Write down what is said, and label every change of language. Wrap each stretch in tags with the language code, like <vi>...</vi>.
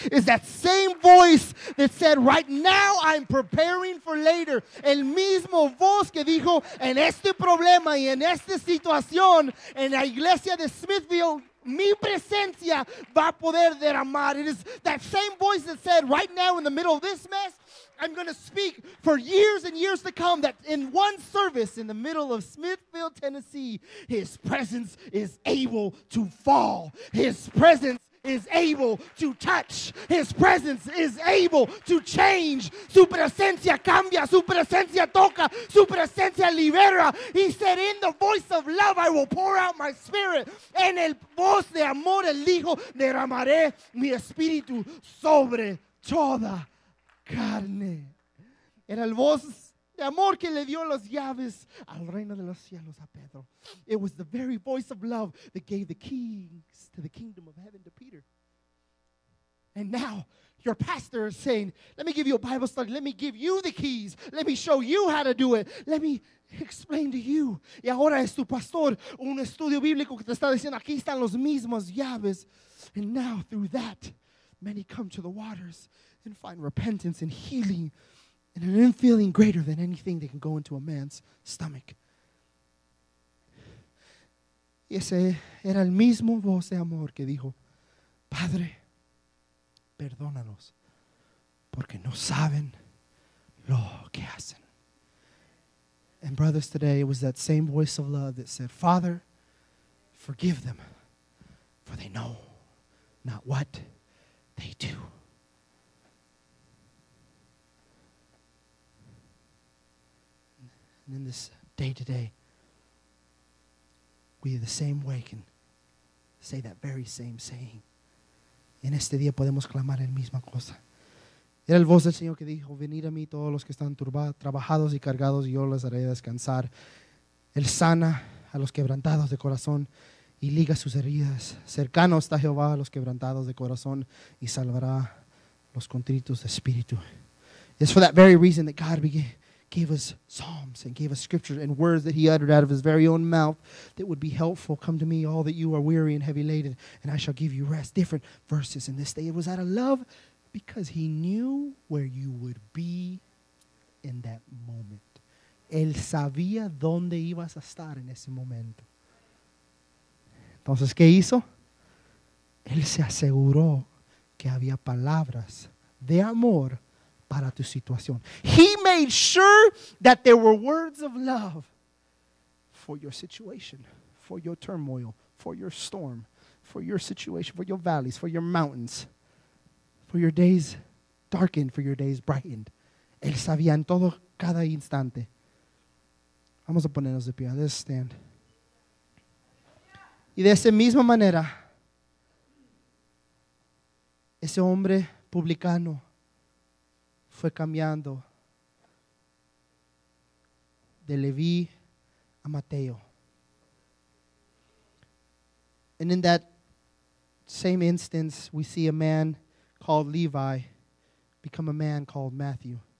<en>It's that same voice that said, right now I'm preparing for later.</en> <es>El mismo voz que dijo, en este problema y en esta situación, en la iglesia de Smithfield mi presencia va a poder derramar.</es> <en>It is that same voice that said, right now in the middle of this mess, I'm going to speak for years and years to come that in one service in the middle of Smithfield, Tennessee, His presence is able to fall. His presence is able to touch. His presence is able to change.</en> <es>Su presencia cambia. Su presencia toca. Su presencia libera.</es> <en>He said, in the voice of love, I will pour out my spirit.</en> <es>En el voz de amor, el hijo, derramaré mi espíritu sobre toda carne. Era el voz de amor que le dio las llaves al reino de los cielos a Pedro.</es> <en>It was the very voice of love that gave the keys to the kingdom of heaven to Peter. And now your pastor is saying, let me give you a Bible study. Let me give you the keys. Let me show you how to do it. Let me explain to you.</en> <es>Y ahora es tu pastor un estudio bíblico que te está diciendo, aquí están las mismas llaves.</es> <en>And now through that, many come to the waters and find repentance and healing and an infilling greater than anything that can go into a man's stomach.</en> <es>Y ese era el mismo voz de amor que dijo, Padre, perdónalos porque no saben lo que hacen.</es> <en>And brothers, today it was that same voice of love that said, Father, forgive them, for they know not what they do. And in this day to day, we the same way can say that very same saying.</en> <es>En este día podemos clamar la misma cosa. Era el voz del Señor que dijo, venid a mí todos los que están turbados, trabajados y cargados, y yo les haré descansar. Él sana a los quebrantados de corazón y liga sus heridas. Cercano está Jehová a los quebrantados de corazón y salvará los contritos de espíritu.</es> <en>It's for that very reason that God began, gave us psalms and gave us scriptures and words that he uttered out of his very own mouth that would be helpful. Come to me, all that you are weary and heavy laden, and I shall give you rest. Different verses in this day. It was out of love because he knew where you would be in that moment.</en> <es>Él sabía dónde ibas a estar en ese momento. Entonces, ¿qué hizo? Él se aseguró que había palabras de amor para tu situación.</es> <en>He made sure that there were words of love for your situation, for your turmoil, for your storm, for your situation, for your valleys, for your mountains, for your days darkened, for your days brightened.</en> <es>Él sabía en todo cada instante. Vamos a ponernos de pie.</es> <en>Let's stand.</en> <es>Y de esa misma manera, ese hombre publicano fue cambiando de Leví a Mateo.</es> <en>And in that same instance, we see a man called Levi become a man called Matthew.</en>